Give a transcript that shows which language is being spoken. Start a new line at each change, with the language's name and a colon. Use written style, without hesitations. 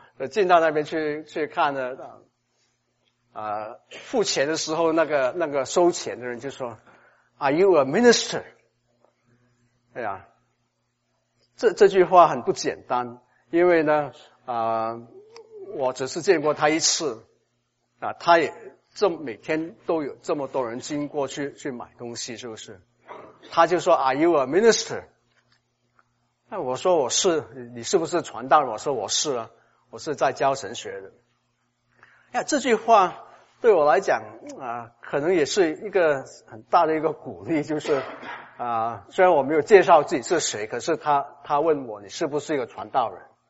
Chinese: 进到那边去看呢，付钱的时候，那个收钱的人就说 ，
English: Are you a minister？
Chinese: 哎呀，这句话很不简单，因为呢我只是见过他一次啊，他也这每天都有这么多人经过去买东西，是不是？他就说
English: Are you a minister？
Chinese: 那我说我是，你是不是传道？我说我是啊，我是在教神学的。哎呀，这句话对我来讲啊，可能也是一个很大的一个鼓励，就是啊，虽然我没有介绍自己是谁，可是他问我你是不是一个传道人？